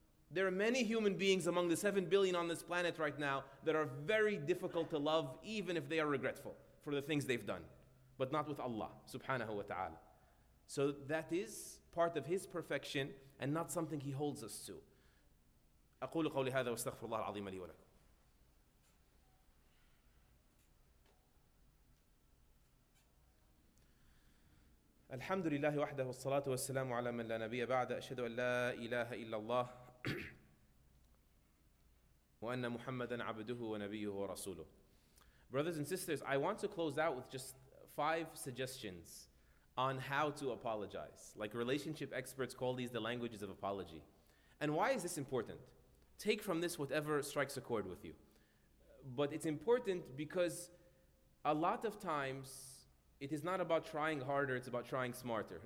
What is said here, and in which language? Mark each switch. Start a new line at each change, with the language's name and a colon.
English: There are many human beings among the 7 billion on this planet right now that are very difficult to love, even if they are regretful for the things they've done. But not with Allah, subhanahu wa ta'ala. So that is part of His perfection and not something He holds us to.
Arabic: أقول قولي هذا واستغفر الله العظيم لي ولكم. الحمد لله وحده والصلاة والسلام على من لا نبي بعد أشهد أن لا إله إلا الله وأن محمدا عبده ونبيه ورسوله.
English: Brothers and sisters, I want to close out with just 5 suggestions on how to apologize. Like, relationship experts call these the languages of apology. And why is this important? Take from this whatever strikes a chord with you. But it's important because a lot of times it is not about trying harder, it's about trying smarter.